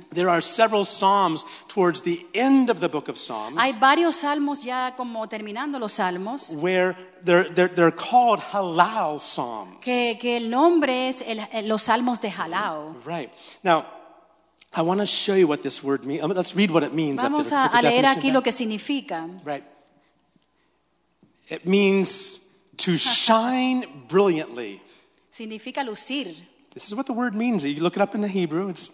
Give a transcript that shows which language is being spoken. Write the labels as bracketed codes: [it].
[en] There are several psalms towards the end of the book of Psalms. [es] Hay varios salmos ya como terminando los salmos. [en] Where they're called halal psalms. [es] Que el nombre es los salmos de halal. [en] Right. Now, I want to show you what this word means. Let's read what it means. [es] Vamos [en] after [es] a leer aquí lo que significa. [en] Right. It means to shine brilliantly. [es] Significa lucir. [en] This is what the word means. You look it up in the Hebrew. It's,